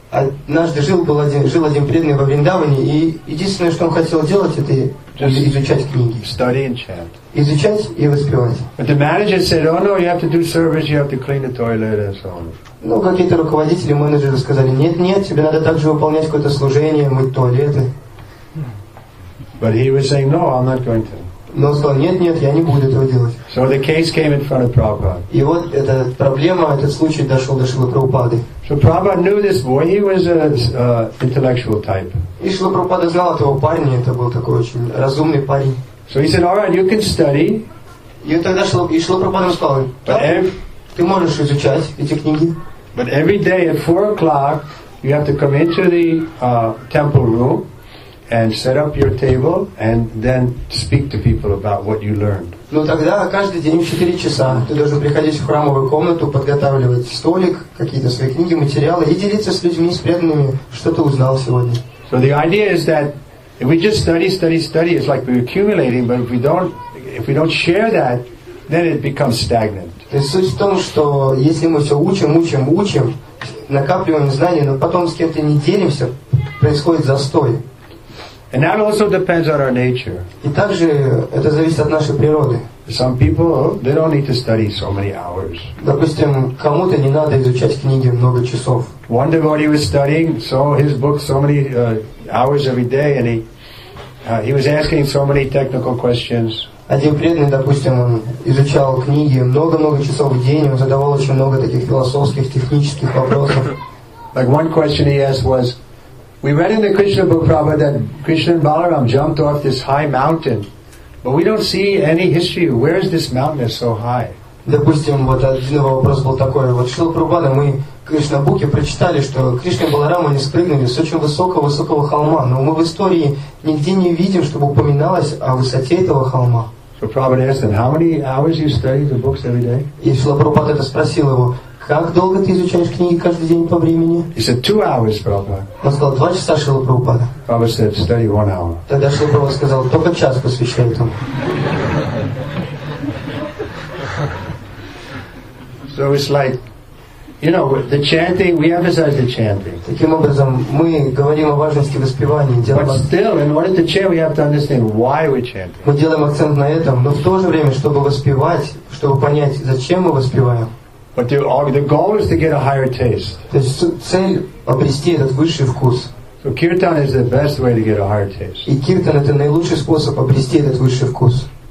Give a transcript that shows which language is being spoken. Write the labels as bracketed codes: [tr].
[ru] Однажды жил один преданный во Вриндаване, и единственное, что он хотел делать, это изучать книги. [en] Study and chant. [ru] Изучать и воспевать. [en] But the manager said, "Oh no, you have to do service. You have to clean the toilet and so on." [ru] Ну, какие-то руководители, менеджеры сказали, нет, тебе надо также выполнять какое-то служение, мыть туалеты. [en] But he was saying, "No, I'm not going to." [ru] Но он сказал, нет, я не буду этого делать. [en] So the case came in front of Prabhupada. [ru] И вот эта проблема, этот случай дошел до Шрилы Прабхупады. [en] So Prabhupada knew this boy, he was an intellectual type. [ru] И Шрила Прабхупада знал этого парня, это был такой очень разумный парень. [en] So he said, all right, you can study. [ru] И он тогда шел, и Шрила Прабхупада сказал, ты можешь изучать эти книги. [en] But every day at 4 o'clock you have to come into the temple room and set up your table and then speak to people about what you learned. [ru] Но тогда каждый день в 4 часа ты должен приходить в храмовую комнату, подготавливать столик, какие-то свои книги, материалы и делиться с людьми, с преданными, что ты узнал сегодня. [en] So the idea is that if we just study, it's like we're accumulating, but if we don't share that, then it becomes stagnant. [ru] То есть суть в том, что если мы все учим, накапливаем знания, но потом с кем-то не делимся, происходит застой. [en] And that also depends on our nature. [ru] И также это зависит от нашей природы. [en] Some people, they don't need to study so many hours. [ru] Допустим, кому-то не надо изучать книги много часов. [en] One devotee was studying, so his book so many hours every day, and he was asking so many technical questions. [ru] Один преданный, допустим, он изучал книги много часов в день, он задавал очень много таких философских, технических вопросов. [en] Like one question he asked was, we read in the Krishna book, Prabhupada, that Krishna and Balaram jumped off this high mountain, but we don't see any history. Where is this mountain that's so high? [ru] Допустим, вот один вопрос был такой. Вот Шрила Прабхупада, мы в Кришнабуке прочитали, что Кришна и Баларама не спрыгнули с очень высокого холма. Но мы в истории нигде не видим, чтобы упоминалось о высоте этого холма. [en] So Prabhupada asked him, how many hours you study the books every day? [ru] И Шрила Прабхупада это спросил его, как долго ты изучаешь книги каждый день по времени? [en] He said, 2 hours, Prabhupada. [ru] Он сказал, 2 часа, Шрила Прабхупада. [en] Prabhupada said, study 1 hour. [ru] Тогда Шрила Прабхупада сказал, только час посвящай этому. [en] So it's like, you know, the chanting, we emphasize the chanting. [ru] Таким образом, мы говорим о важности воспевания. [en] But still, in order to chant, we have to understand why we're chanting. [ru] Мы делаем акцент на этом, но в то же время, чтобы воспевать, чтобы понять, зачем мы воспеваем. [en] But the goal is to get a higher taste. [ru] То есть цель обрести этот высший вкус. [en] So kirtan is the best way to get a higher taste. [ru] И киртан это наилучший способ обрести этот высший вкус.